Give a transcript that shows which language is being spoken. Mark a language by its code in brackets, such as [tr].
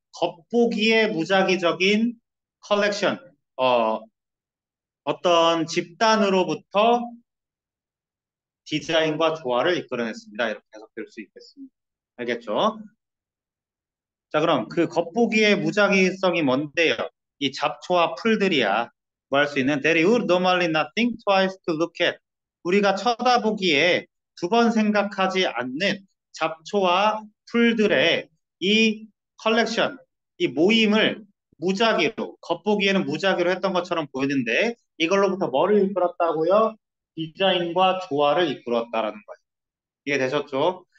[ko] 겉보기에 무작위적인 컬렉션, 어떤 집단으로부터 디자인과 조화를 이끌어냈습니다. 이렇게 해석될 수 있겠습니다. 알겠죠? 자, 그럼 그 겉보기의 무작위성이 뭔데요? 이 잡초와 풀들이야. 뭐할수 있는? [en] They would normally not think twice to look at. [ko] 우리가 쳐다보기에 두번 생각하지 않는 잡초와 풀들의 이 컬렉션, 이 모임을 무작위로, 겉보기에는 무작위로 했던 것처럼 보이는데, 이걸로부터 뭐를 이끌었다고요? 디자인과 조화를 이끌었다라는 거예요. 이해되셨죠?